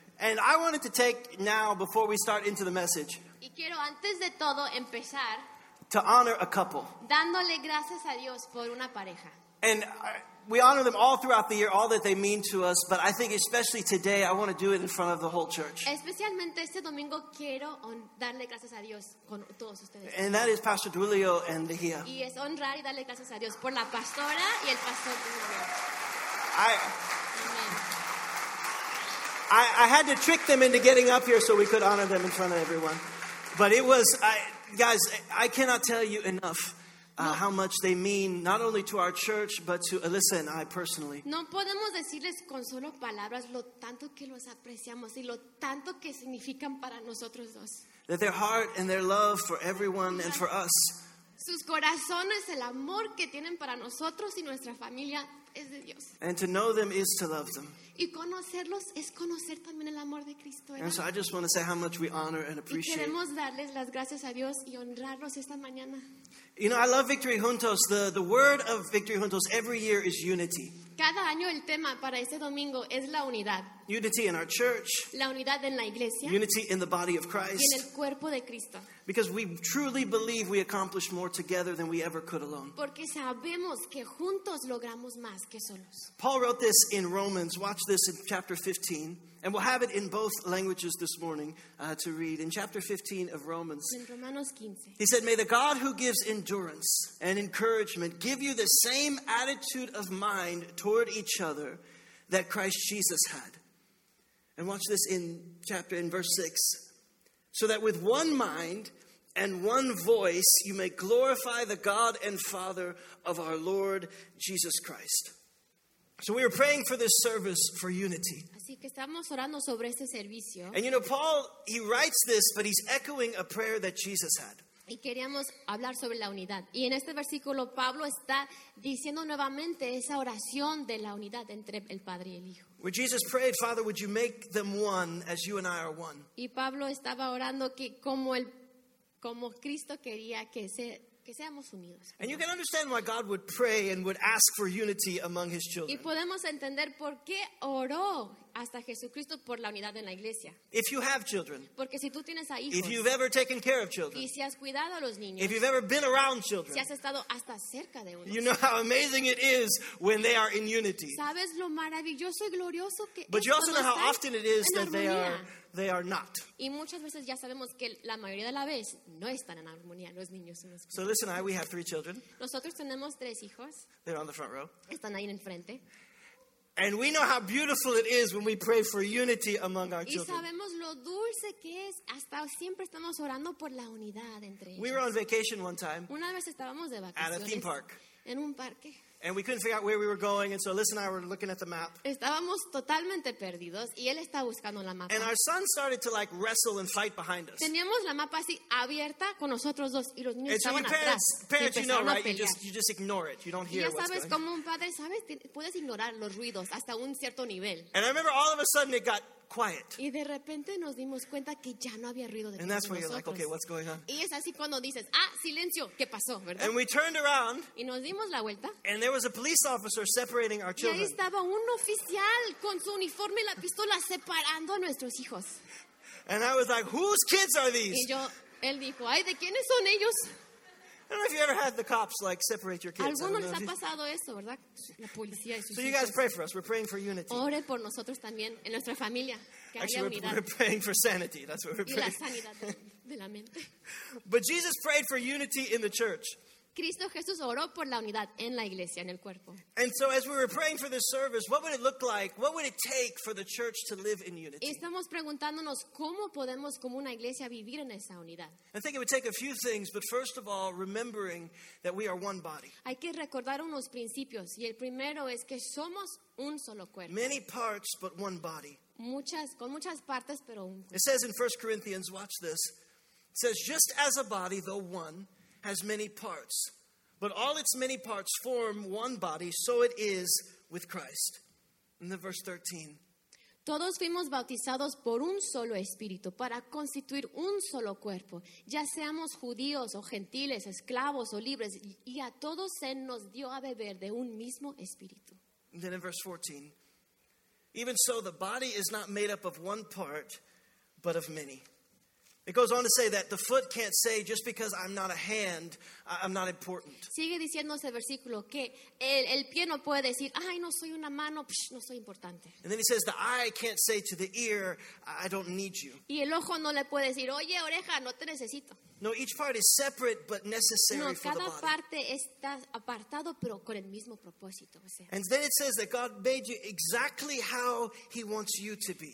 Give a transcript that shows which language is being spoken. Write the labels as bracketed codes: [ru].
[en] And I wanted to take now, before we start into the message, [es] y quiero antes de todo empezar, [en] to honor a couple. [es] Dándole gracias a Dios por una pareja. [en] And we honor them all throughout the year, all that they mean to us, but I think especially today, I want to do it in front of the whole church. [es] Especialmente este domingo quiero darle gracias a Dios con todos ustedes. [en] And that is Pastor Julio and Lejia. [es] Y es honrar y darle gracias a Dios por la pastora y el pastor Julio. [en] I had to trick them into getting up here so we could honor them in front of everyone. But it was, I cannot tell you enough. How much they mean, not only to our church, but to Alyssa and I personally. [es] No podemos decirles con solo palabras lo tanto que los apreciamos y lo tanto que significan para nosotros dos. [en] That their heart and their love for everyone and for us. [es] Sus corazones, el amor que tienen para nosotros y nuestra familia es de Dios. [en] And to know them is to love them. [es] Y conocerlos es conocer también el amor de Cristo. [en] And so I just want to say how much we honor and appreciate. [es] Y queremos darles las gracias a Dios y honrarlos esta mañana. [en] You know, I love Victory Juntos. The word of Victory Juntos every year is unity. [es] Cada año el tema para este domingo es la unidad. [en] Unity in our church. [es] La unidad en la iglesia. [en] Unity in the body of Christ. [es] Y en el cuerpo de Cristo. [en] Because we truly believe we accomplish more together than we ever could alone. [es] Porque sabemos que juntos logramos más que solos. [en] Paul wrote this in Romans. Watch this in chapter 15. And we'll have it in both languages this morning to read. In chapter 15 of Romans, [es] en Romanos 15. [en] He said, may the God who gives endurance and encouragement give you the same attitude of mind toward each other that Christ Jesus had. And watch this in verse 6. So that with one mind and one voice you may glorify the God and Father of our Lord Jesus Christ. So we are praying for this service for unity. [es] Así que estamos orando sobre este servicio. [en] And you know, Paul, he writes this, but he's echoing a prayer that Jesus had. [es] Y queríamos hablar sobre la unidad. Y en este versículo, Pablo está diciendo nuevamente esa oración de la unidad entre el Padre y el Hijo. [en] Where Jesus prayed, Father, would you make them one as you and I are one? [es] Y Pablo estaba orando que como Cristo quería que seamos unidos. [en] And you can understand why God would pray and would ask for unity among his children. [es] Y podemos entender por qué oró hasta Jesucristo por la unidad en la iglesia. [en] If you have children. [es] Porque si tú tienes a hijos. [en] If you've ever taken care of children. [es] Y si has cuidado a los niños. [en] If you've ever been around children. [es] Si has estado hasta cerca de unos. [en] You know how amazing it is when they are in unity. [es] Sabes lo maravilloso y glorioso que. [en] But you also know how often it is that they are not. [es] Y muchas veces ya sabemos que la mayoría de la vez no están en armonía los niños. [en] So listen, we have three children. [es] Nosotros tenemos tres hijos. [en] They're on the front row. [es] Están ahí en frente. [en] And we know how beautiful it is when we pray for unity among our children. [es] Y sabemos lo dulce que es hasta siempre estamos orando por la unidad entre ellos. [en] We were on vacation one time. [es] Una vez estábamos de vacaciones. [en] At a theme park. [es] En un parque. [en] And we couldn't figure out where we were going, and so Liz and I were looking at the map. [es] Estábamos totalmente perdidos, y él estaba buscando la mapa. [en] And our son started to like wrestle and fight behind us. [es] Teníamos la mapa así abierta con nosotros dos, y los niños [en] and [es] estaban [en] so parents, [es] atrás. [en] Parents, you know, right? You just ignore it. You don't hear what's going on. [es] Ya sabes, como un padre, sabes, puedes ignorar los ruidos hasta un cierto nivel. [en] And I remember all of a sudden it got quiet. [es] Y de repente nos dimos cuenta que ya no había ruido de nosotros. [en] And that's where you're like, okay, what's going on? [es] Y es así cuando dices, ah, silencio, ¿qué pasó, verdad? [en] And we turned around. [es] Y nos dimos la vuelta. [en] And there was a police officer separating our children. [es] Y ahí estaba un oficial con su uniforme y la pistola separando a nuestros hijos. [en] And I was like, whose kids are these? [es] Y yo, él dijo, ay, ¿de quiénes son ellos? [en] I don't know if you ever had the cops like separate your kids. [es] Alguno les ha pasado eso, ¿verdad? La policía y sus hijos. [en] So you guys pray for us. We're praying for unity. [es] Ore por nosotros también en nuestra familia. [en] Actually, we're praying for sanity. That's what we're praying. [es] Y la sanidad de la mente. [en] But Jesus prayed for unity in the church. [es] Cristo Jesús oró por la unidad en la iglesia, en el cuerpo. [en] And so as we were praying for this service, what would it look like? What would it take for the church to live in unity? [es] Estamos preguntándonos cómo podemos como una iglesia vivir en esa unidad. [en] I think it would take a few things, but first of all, remembering that we are one body. [es] Hay que recordar unos principios, y el primero es que somos un solo cuerpo. [en] Many parts, but one body. [es] Muchas, con muchas partes, pero un cuerpo. [en] It says in 1 Corinthians, watch this. It says, just as a body, though one, has many parts, but all its many parts form one body, so it is with Christ. In the verse 13. [es] Todos fuimos bautizados por un solo espíritu para constituir un solo cuerpo, ya seamos judíos o gentiles, esclavos o libres, y a todos se nos dio a beber de un mismo espíritu. [en] And then in verse 14. Even so, the body is not made up of one part, but of many. It goes on to say that the foot can't say, just because I'm not a hand, I'm not important. [es] Sigue diciendo ese versículo que el pie no puede decir, ay, no soy una mano, psh, no soy importante. [en] And then he says, the eye can't say to the ear, I don't need you. [es] Y el ojo no le puede decir, oye, oreja, no te necesito. [en] No, each part is separate but necessary for the body. [es] No, cada parte está apartado, pero con el mismo propósito. O sea, [en] and then it says that God made you exactly how he wants you to be.